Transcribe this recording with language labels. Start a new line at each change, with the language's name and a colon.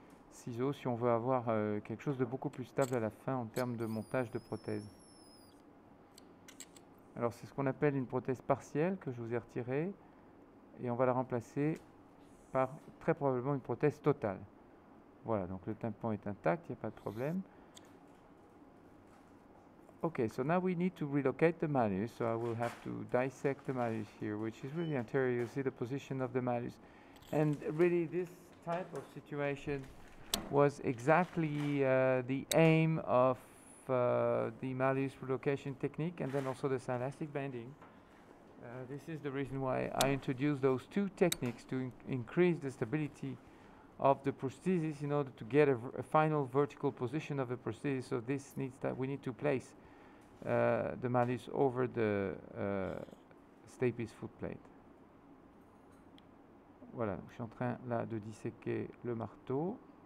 French: Ciseaux si on veut avoir quelque chose de beaucoup plus stable à la fin en termes de montage de prothèse. Alors c'est ce qu'on appelle une prothèse partielle que je vous ai retirée et on va la remplacer par très probablement une prothèse totale. Voilà, donc le tympan est intact, il n'y a pas de problème.
English: Okay, so now we need to relocate the malleus, so I will have to dissect the malleus here, which is really anterior. You see the position of the malleus. And really this type of situation was exactly the aim of the malleus relocation technique and then also the silastic bending. This is the reason why I introduced those two techniques to increase the stability of the prosthesis in order to get a final vertical position of the prosthesis. So this needs that we need to place the malleus over the stapes foot plate.
French: Voilà, je suis en train là de disséquer le marteau.